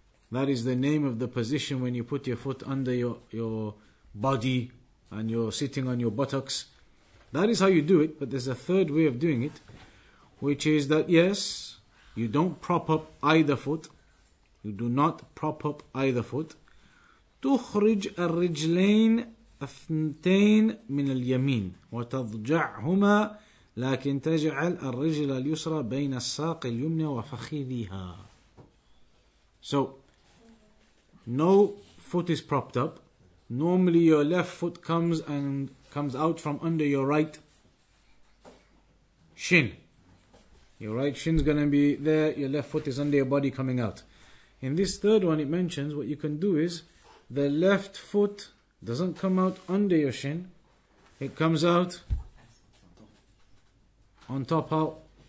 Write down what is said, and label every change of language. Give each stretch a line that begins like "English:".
English: That is the name of the position when you put your foot under your body and you're sitting on your buttocks. That is how you do it, but there's a third way of doing it, which is that, yes, you don't prop up either foot. You do not prop up either foot.
Arabic: تخرج الرجلين اثنتين من اليمين وتضجعهما لكن تجعل الرجل اليسرى بين الساق اليمنى وفخذيها.
English: So, no foot is propped up. Normally your left foot comes out from under your right shin. Your right shin is going to be there, your left foot is under your body coming out. In this third one it mentions what you can do is, the left foot doesn't come out under your shin, it comes out on top out.